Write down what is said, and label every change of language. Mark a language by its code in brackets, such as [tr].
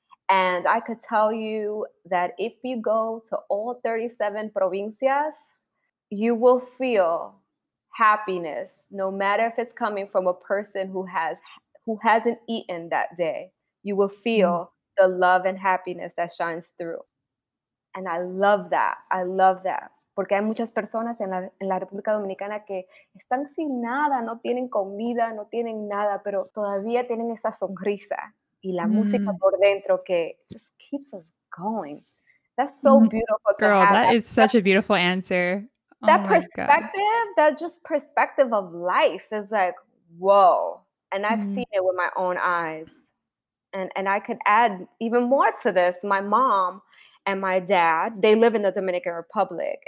[en] And I could tell you that if you go to all 37 provincias, you will feel happiness, no matter if it's coming from a person who hasn't eaten that day. You will feel the love and happiness that shines through. And I love that. I love that. [es] Porque hay muchas personas en la República Dominicana que están sin nada, no tienen comida, no tienen nada, pero todavía tienen esa sonrisa y la música por dentro que [en] just keeps us going. That's so beautiful. Girl, that is such a beautiful answer. That perspective of life is like, whoa. And I've seen it with my own eyes. And I could add even more to this. My mom and my dad, they live in the Dominican Republic.